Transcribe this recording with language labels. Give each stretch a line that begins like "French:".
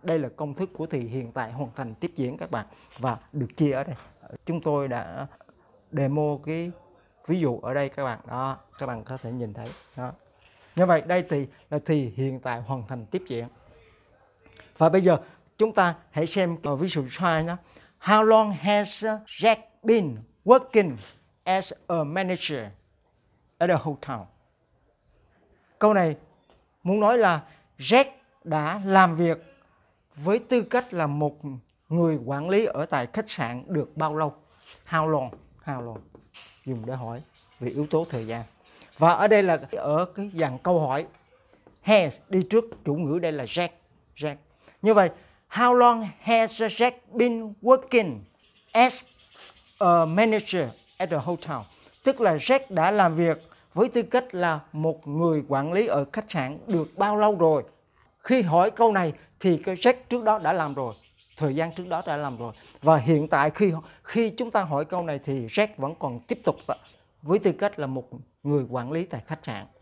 Vietnamese: Đây là công thức của thì hiện tại hoàn thành tiếp diễn các bạn. Và được chia ở đây. Chúng tôi đã demo cái ví dụ ở đây các bạn. Đó, các bạn có thể nhìn thấy. Đó. Như vậy đây thì là thì hiện tại hoàn thành tiếp diễn. Và bây giờ chúng ta hãy xem ví dụ số 2 nhé.
English: How long has Jack been working as a manager at a hotel?
Vietnamese: Câu này muốn nói là Jack đã làm việc với tư cách là một người quản lý ở tại khách sạn được bao lâu?
English: How long?
Vietnamese: Dùng để hỏi vì yếu tố thời gian. Và ở đây là ở cái dạng câu hỏi. Has đi trước chủ ngữ, đây là Jack. Như vậy,
English: how long has Jack been working as a manager at the hotel?
Vietnamese: Tức là Jack đã làm việc với tư cách là một người quản lý ở khách sạn được bao lâu rồi? Khi hỏi câu này thì cái Jack trước đó đã làm rồi. Thời gian trước đó đã làm rồi. Và hiện tại khi chúng ta hỏi câu này thì Jack vẫn còn tiếp tục với tư cách là một người quản lý tại khách sạn.